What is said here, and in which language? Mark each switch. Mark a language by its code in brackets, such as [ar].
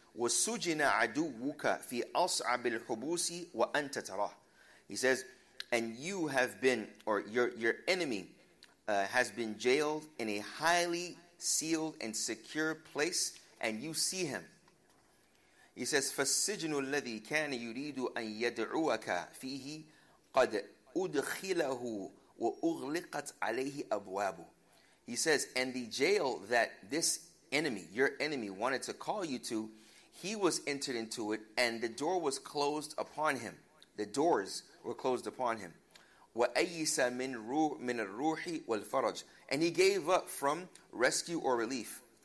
[ar] وَسُجِنَ عَدُوُّكَ فِي أَصْعَبِ الْحُبُوسِ وَأَنْتَ تَرَاهُ. [en] He says, and you have been, or your enemy has been jailed in a highly sealed and secure place, and you see him. He says, [ar] فَالسِّجْنُ الَّذِي كَانَ يُرِيدُ أَنْ يَدْعُوَكَ فِيهِ قَدْ أُدْخِلَهُ وَأُغْلِقَتْ عَلَيْهِ أَبْوَابُ. [en] He says, and the jail that this enemy, your enemy, wanted to call you to, he was entered into it, and the door was closed upon him. The doors were closed upon him. [ar] وَأَيِّسَ مِنْ الرُّوحِ وَالْفَرَجِ. [en] And he gave up from rescue or relief.